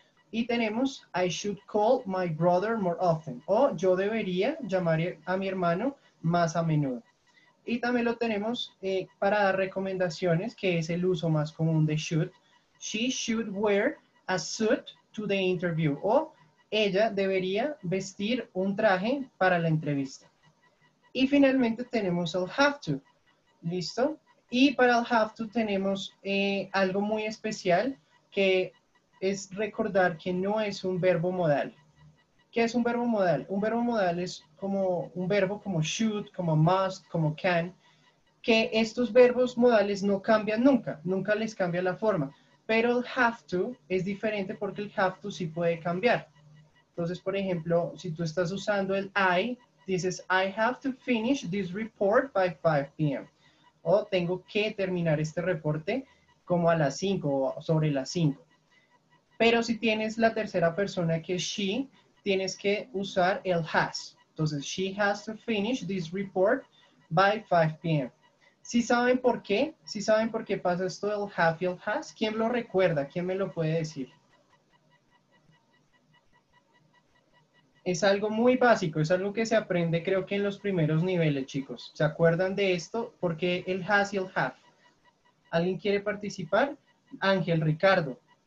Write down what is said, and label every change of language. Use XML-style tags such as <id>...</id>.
<es>Y tenemos</es> <en>I should call my brother more often.</en> <es>O yo debería llamar a mi hermano más a menudo. Y también lo tenemos para dar recomendaciones, que es el uso más común de should.</es> <en>She should wear a suit to the interview.</en> <es>O ella debería vestir un traje para la entrevista. Y finalmente tenemos el have to. ¿Listo? Y para el have to tenemos algo muy especial, que es recordar que no es un verbo modal. ¿Qué es un verbo modal? Un verbo modal es como un verbo como should, como must, como can, que estos verbos modales no cambian nunca, nunca les cambia la forma. Pero el have to es diferente porque el have to sí puede cambiar. Entonces, por ejemplo, si tú estás usando el I, dices,</es> <en>I have to finish this report by 5 p.m.</en> <es>O tengo que terminar este reporte como a las 5 o sobre las 5. Pero si tienes la tercera persona que es she, tienes que usar el has.</es> <en>Entonces, she has to finish this report by 5 p.m.</en> <es>¿Sí saben por qué? ¿Sí saben por qué pasa esto del have y el has? ¿Quién lo recuerda? ¿Quién me lo puede decir? Es algo muy básico, es algo que se aprende creo que en los primeros niveles, chicos. ¿Se acuerdan de esto? Porque el has y el have. ¿Alguien quiere participar? Ángel, Ricardo.</es>